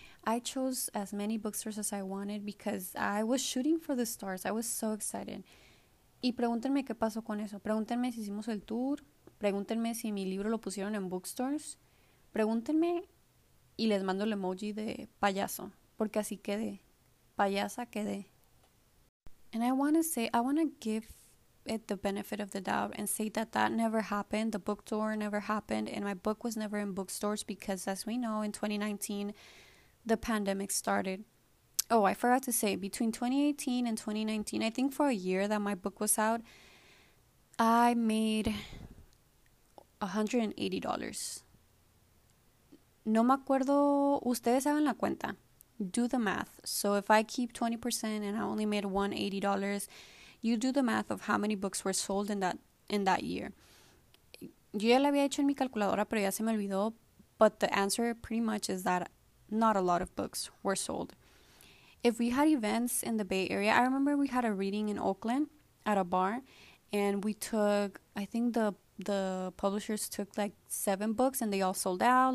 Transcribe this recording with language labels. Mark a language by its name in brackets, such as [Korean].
[English] I chose as many bookstores as I wanted, because I was shooting for the stars. I was so excited. [Spanish] Y pregúntenme qué pasó con eso. Pregúntenme si hicimos el tour. Pregúntenme si mi libro lo pusieron en bookstores. Pregúntenme y les mando el emoji de payaso. Porque así quedé. Payasa quedé. [English] And I want to say, I want to give it the benefit of the doubt and say that that never happened. The book tour never happened. And my book was never in bookstores because, as we know, in 2019, the pandemic started. Oh, I forgot to say, between 2018 and 2019, I think for a year that my book was out, I made $180. [Spanish] No me acuerdo, ustedes saben la cuenta. [English] Do the math. So if I keep 20% and I only made $180, you do the math of how many books were sold in that year. [Spanish] Yo ya la había hecho en mi calculadora, pero ya se me olvidó. [English] But the answer pretty much is that not a lot of books were sold. If we had events in the Bay Area, I remember we had a reading in Oakland at a bar, and we took, I think the publishers took like 7 books, and they all sold out.